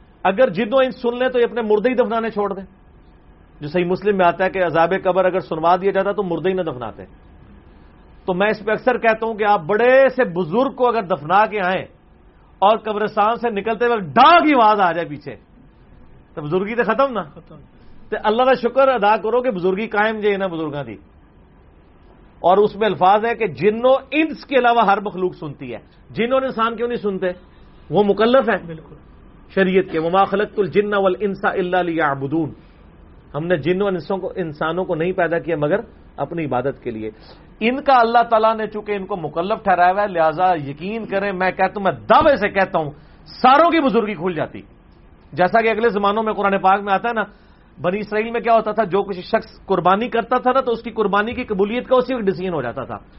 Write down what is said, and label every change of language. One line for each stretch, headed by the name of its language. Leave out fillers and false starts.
Urdu: اگر جنوں انس سن لیں تو یہ اپنے مردے ہی دفنانے چھوڑ دیں، جو صحیح مسلم میں آتا ہے کہ عذاب قبر اگر سنوا دیا جاتا تو مردے ہی نہ دفناتے. تو میں اس پہ اکثر کہتا ہوں کہ آپ بڑے سے بزرگ کو اگر دفنا کے آئیں اور قبرستان سے نکلتے وقت ڈاں کی آواز آ جائے پیچھے تو بزرگی تو ختم نا. تو اللہ کا شکر ادا کرو کہ بزرگی قائم
Punjabi: جی نا بزرگاں دی.
Urdu: اور اس میں الفاظ ہے کہ جن و انس کے علاوہ ہر مخلوق سنتی ہے. جن اور انسان کیوں نہیں سنتے؟ وہ مکلف ہیں بالکل شریعت کے.
Arabic: وما خلقت الجن والانس الا ليعبدون.
Urdu: ہم نے جن و انسوں کو انسانوں کو نہیں پیدا کیا مگر اپنی عبادت کے لیے. ان کا اللہ تعالیٰ نے چونکہ ان کو مکلف ٹھہرایا ہوا ہے لہذا یقین کریں, میں کہتا ہوں, میں دعوے سے کہتا ہوں, ساروں کی بزرگی کھل جاتی. جیسا کہ اگلے زمانوں میں قرآن پاک میں آتا ہے نا, بنی اسرائیل میں کیا ہوتا تھا, جو کچھ شخص قربانی کرتا تھا نا تو اس کی قربانی کی قبولیت کا اسی وقت ڈیسیژن ہو جاتا تھا.